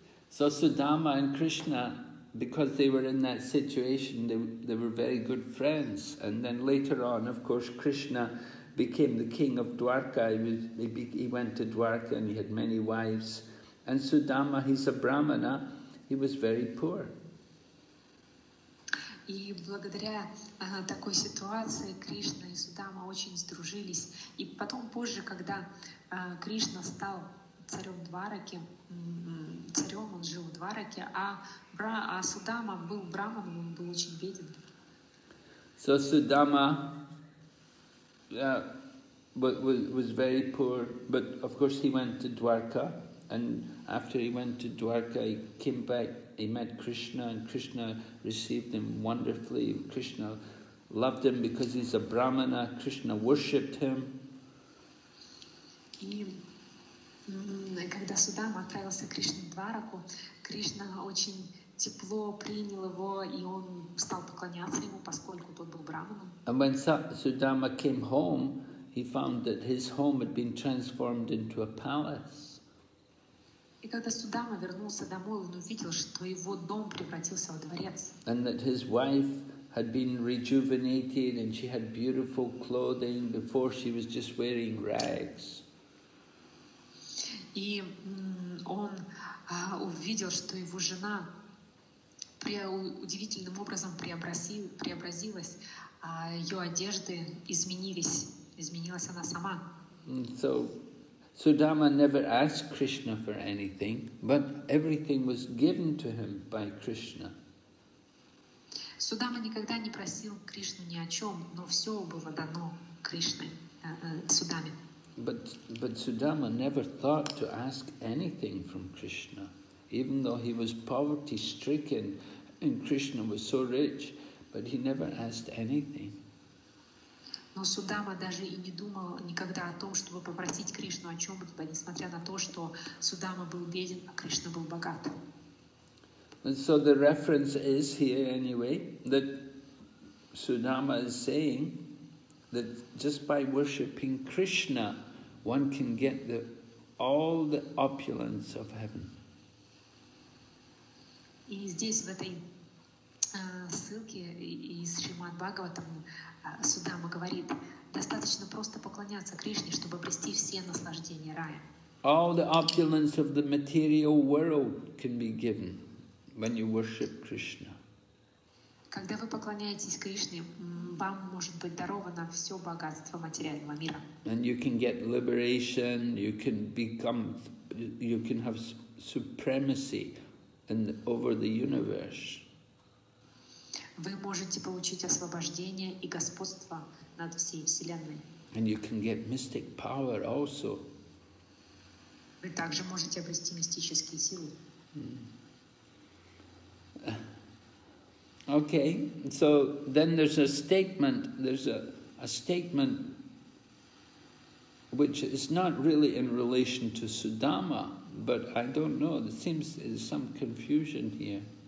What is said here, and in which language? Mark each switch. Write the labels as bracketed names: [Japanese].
[English] So Sudama and Krishna, because they were in that situation, they were very good friends. And then later on, of course, Krishna became the king of Dwarka. He went to Dwarka and he had many wives. And Sudama, he's a brahmana, he was very poor. [Russian] И благодаря такой ситуации Кришна и Судама очень сдружились. И потом позже, когда Кришна стал царем Двараки, царем он жил в Двараке, а Судама был брахманом, он был очень беден. [English] So Sudama was very poor, but of course he went to Dwarka, and after he went to Dwarka, he came back. He met Krishna, and Krishna received him wonderfully. Krishna loved him because he's a brahmana. Krishna worshipped him. [Russian] И когда Судама отправился к Кришне в Двараку, Кришна очень тепло принял его, и он стал поклоняться ему, поскольку тот был брахманом. [English] And when Sudama came home, he found that his home had been transformed into a palace. [Russian] И когда Судама вернулся домой, он увидел, что его дом превратился в дворец. [English] And that his wife had been rejuvenated, and she had beautiful clothing. Before she was just wearing rags. [Russian] И он увидел, что его жена удивительным образом преобразилась. Ее одежды изменились. Изменилась она сама. [English] So Sudama never asked Krishna for anything, but everything was given to him by Krishna. [Russian] Sudama никогда не просил Кришну ни о чем, но все было дано Кришной, Судаме. [English] But Sudama never thought to ask anything from Krishna, even though he was poverty stricken and Krishna was so rich, but he never asked anything. [Russian] Но Судама даже и не думал никогда о том, чтобы попросить Кришну о чем-либо, несмотря на то, что Судама был беден, а Кришна был богат. [English] And so the reference is here anyway, that Sudama is saying that just by worshipping Krishna, one can get all the opulence of heaven. [Russian] И здесь, в этой ссылке из Шримад Бхагаватам, Судама говорит, достаточно просто поклоняться Кришне, чтобы обрести все наслаждения рая. [English] All the opulence of the material world can be given when you worship Krishna. [Russian] Когда вы поклоняетесь Кришне, вам может быть даровано все богатство материального мира. [English] And you can get liberation, you can become, you can have supremacy and over the universe. [Russian] Вы можете получить освобождение и господство над всей Вселенной. [English] And you can get mystic power also. [Russian] Вы также можете обрести мистические силы. [English] Okay, so then there's a statement which is not really in relation to Sudama, but I don't know, there seems there's some confusion here.